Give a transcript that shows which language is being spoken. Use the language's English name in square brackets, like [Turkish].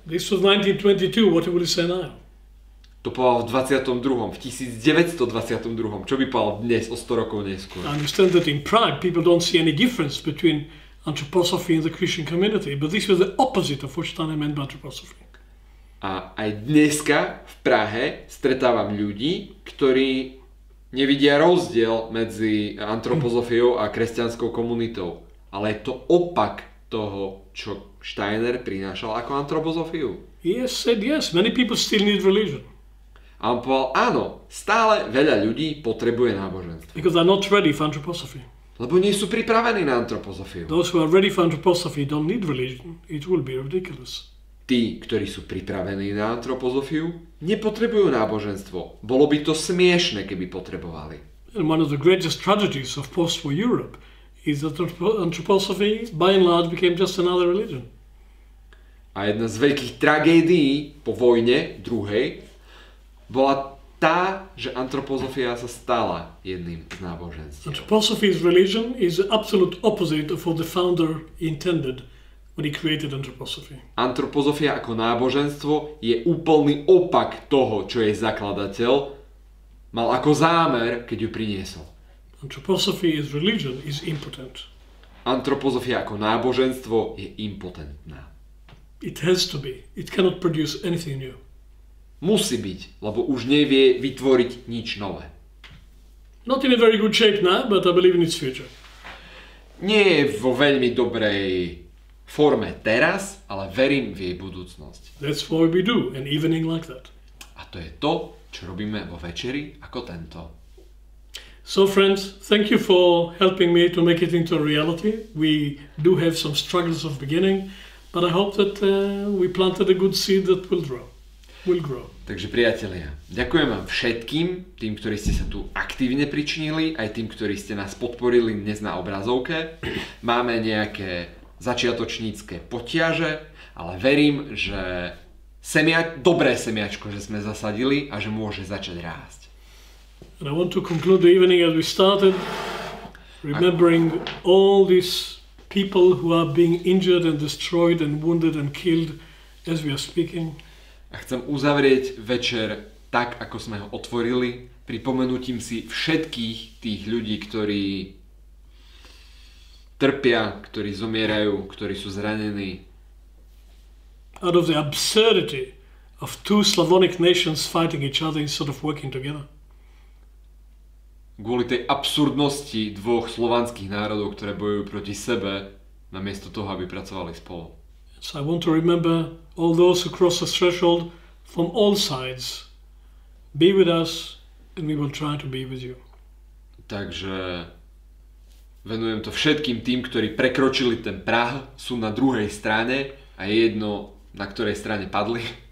[English] This was 1922, what would you say now? [Slovak] To povedal v 22., v 1922., čo by povedal dnes, o 100 rokov neskôr. [English] I understand that in Prague people don't see any difference between anthroposophy and the Christian community, but this was the opposite of what Steiner meant by anthroposophy. [Slovak] A aj dneska v Prahe stretávam ľudí, ktorí nevidia rozdiel medzi antropozofiou a kresťanskou komunitou. Ale je to opak toho, čo Steiner prinášal ako antropozofiu. [English] Yes, said yes. Many people still need religion. [Slovak] A on povedal, áno, stále veľa ľudí potrebuje náboženstvo. [English] Because they're not ready for anthroposophy. [Slovak] Lebo nie sú pripravení na antropozofiu. [English] Those who are ready for anthroposophy don't need religion. It will be ridiculous. [Slovak] Tí, ktorí sú pripravení na antropozofiu, nepotrebujú náboženstvo. Bolo by to smiešne, keby potrebovali. [English] And one of the greatest tragedies of post-war Europe is that anthroposophy by and large became just another religion. [Slovak] A jedna z veľkých tragédií po vojne druhej bola tá, že antropozofia sa stala jedným z náboženstiev. [English] Anthroposophy's religion is the absolute opposite of what the founder intended when he created anthroposophy. [Slovak] Antropozofia ako náboženstvo je úplný opak toho, čo jej zakladateľ mal ako zámer, keď ju priniesol. [English] Anthroposophy as religion is impotent. [Slovak] Antropozofia ako náboženstvo je impotentná. [English] It has to be. It cannot produce anything new. [Slovak] Musí byť, lebo už nevie vytvoriť nič nové. [English] Not in a very good shape now, but I believe in its future. [Slovak] Nie je vo veľmi dobrej forme teraz, ale verím v jej budúcnosť. [English] That's what we do, an evening like that. [Slovak] A to je to, čo robíme vo večeri ako tento. [English] So friends, thank you for helping me to make it into a reality. We do have some struggles of beginning, but I hope that we planted a good seed that will grow. [Slovak] Takže priatelia, ďakujem vám všetkým, tým, ktorí ste sa tu aktívne pričinili, aj tým, ktorí ste nás podporili dnes na obrazovke. Máme nejaké začiatočnícke potiaže, ale verím, že dobré semiačko, že sme zasadili a že môže začať rásť. [English] And I want to conclude the evening as we started, remembering all these people who are being injured and destroyed and wounded and killed as we are speaking. [Slovak] A chcem uzavrieť večer tak, ako sme ho otvorili, pripomenutím si všetkých tých ľudí, ktorí trpia, ktorí zomierajú, ktorí sú zranení. [English] Out of the absurdity of two Slavonic nations fighting each other instead of working together. [Slovak] Kvôli tej absurdnosti dvoch slovanských národov, ktoré bojujú proti sebe, namiesto toho, aby pracovali spolu. [English] So I want to remember all those who cross the threshold from all sides. Be with us and we will try to be with you. [Slovak] Takže venujem to všetkým tým, ktorí prekročili ten prah, sú na druhej strane a jedno, na ktorej strane padli.